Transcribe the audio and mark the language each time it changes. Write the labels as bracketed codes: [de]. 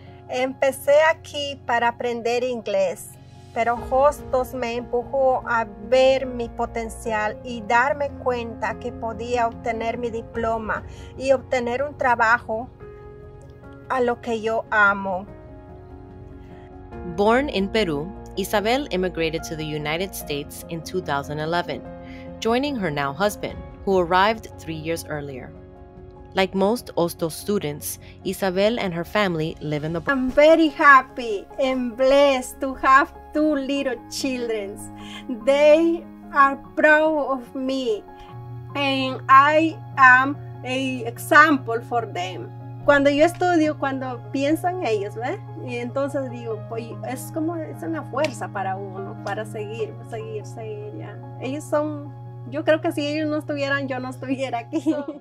[es] Empecé aquí para aprender inglés, pero Hostos me empujó a ver mi potencial y darme cuenta que podía obtener mi diploma y obtener un trabajo a lo que yo amo. [en] Born in Peru, Isabel immigrated to the United States in 2011, joining her now husband, who arrived 3 years earlier. Like most Hostos students, Isabel and her family live in the Bronx. I'm very happy and blessed to have two little children. They are proud of me, and I am an example for them. [es] Cuando yo estudio, cuando pienso en ellos, ¿ve? Y entonces digo, pues es como, es una fuerza para uno, para seguir, ya. Ellos son, yo creo que si ellos no estuvieran, yo no estuviera aquí.